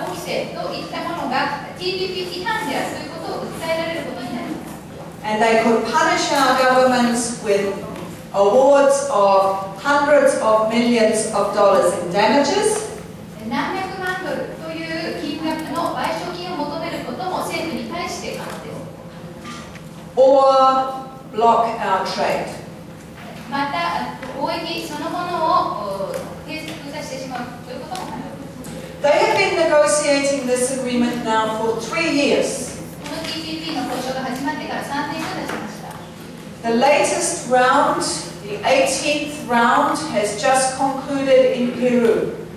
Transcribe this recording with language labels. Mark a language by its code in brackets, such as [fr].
[ja] としてといったものが TPP 批判であるということを訴えられることになります。 [en] And they could punish our governments with awards of hundreds of millions of dollars in damages. [ja] 何百万ドルという金額の賠償金を求めることも政府に対してあるんです。 [en] Or block our trade. [ja] また貿易そのものを閉鎖させてしまうということも可能です。 [en] They have been negotiating this agreement now for 3 years. [ja] この TPP の交渉が始まってから3年経ちました。 [en] The latest round, the 18th round, has just concluded in Peru.